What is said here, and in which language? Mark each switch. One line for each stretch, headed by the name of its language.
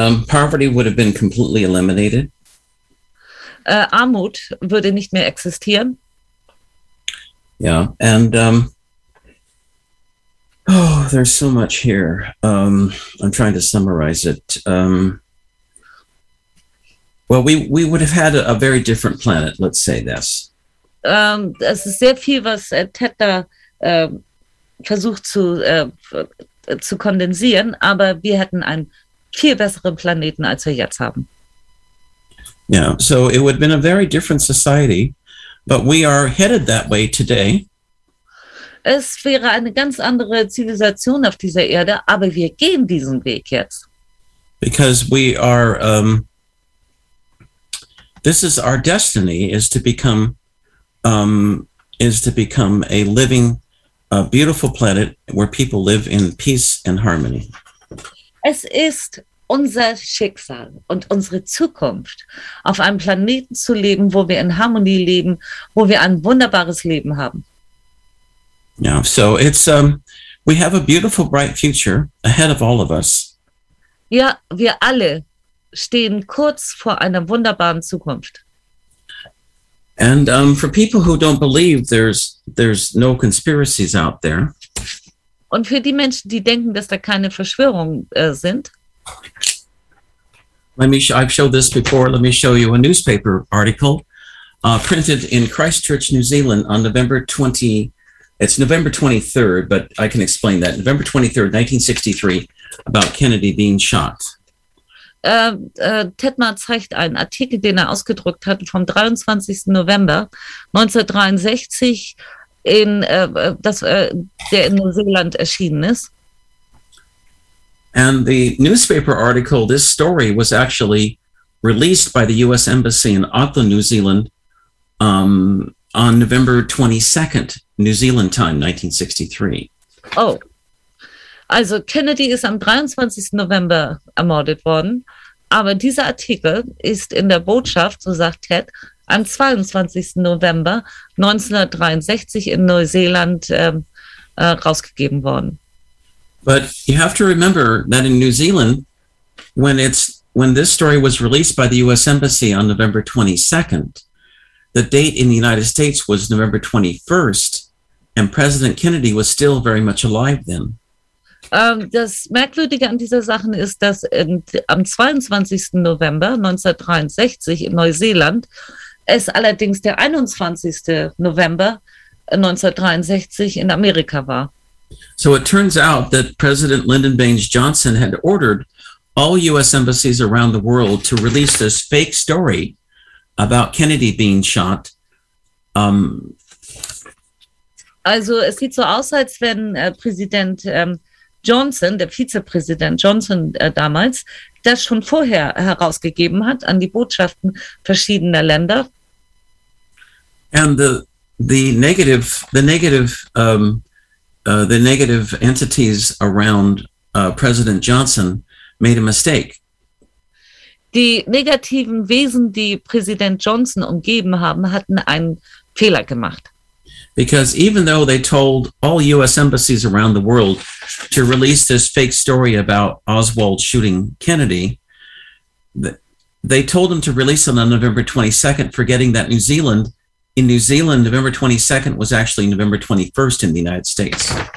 English: Poverty would have been completely eliminated.
German: Armut würde nicht mehr existieren.
English: Yeah, and there's so much here. I'm trying to summarize it. We would have had a very different planet, let's say this.
German: Es ist sehr viel, was Ted da versucht zu kondensieren, aber wir hätten einen viel besseren Planeten, als wir jetzt haben.
English: Yeah, so it would have been a very different society, but we are headed that way today.
German: Es wäre eine ganz andere Zivilisation auf dieser Erde, aber wir gehen diesen Weg jetzt.
English: Because we are, this is our destiny, is to become a living, beautiful planet where people live in peace and harmony.
German: Es ist unser Schicksal und unsere Zukunft, auf einem Planeten zu leben, wo wir in Harmonie leben, wo wir ein wunderbares Leben haben.
English: Yeah, so it's we have a beautiful, bright future ahead of all of us.
German: Ja, wir alle stehen kurz vor einer wunderbaren Zukunft.
English: And for people who don't believe, there's no conspiracies out there.
German: Und für die Menschen, die denken, dass da keine Verschwörungen sind.
English: I've showed this before. Let me show you a newspaper article printed in Christchurch, New Zealand, on November 20. It's November 23rd, but I can explain that. November 23rd, 1963, about Kennedy being shot.
German: Tedmar zeigt einen Artikel, den er ausgedruckt hat, vom 23. November 1963, der in Neuseeland erschienen ist.
English: And the newspaper article, this story was actually released by the U.S. Embassy in Auckland, New Zealand, on November 22nd, New Zealand time, 1963.
German: Oh, also Kennedy ist am 23. November ermordet worden, aber dieser Artikel ist in der Botschaft, so sagt Ted, am 22. November 1963 in Neuseeland rausgegeben worden.
English: But you have to remember that in New Zealand, when this story was released by the U.S. Embassy on November 22nd, the date in the United States was November 21st, and President Kennedy was still very much alive then.
German: Das Merkwürdige an dieser Sache ist, dass am 22. November 1963 in Neuseeland es allerdings der 21. November 1963 in Amerika war.
English: So it turns out that President Lyndon Baines Johnson had ordered all U.S. embassies around the world to release this fake story about Kennedy being shot.
German: Also es sieht so aus, als wenn Präsident Johnson, der Vizepräsident Johnson damals, das schon vorher herausgegeben hat an die Botschaften verschiedener Länder.
English: And the negative entities around President Johnson made a mistake.
German: Die negativen Wesen, die Präsident Johnson umgeben haben, hatten einen Fehler gemacht.
English: Because even though they told all U.S. embassies around the world to release this fake story about Oswald shooting Kennedy, they told them to release it on November 22nd, forgetting that New Zealand, November 22nd was actually November 21st in the United States.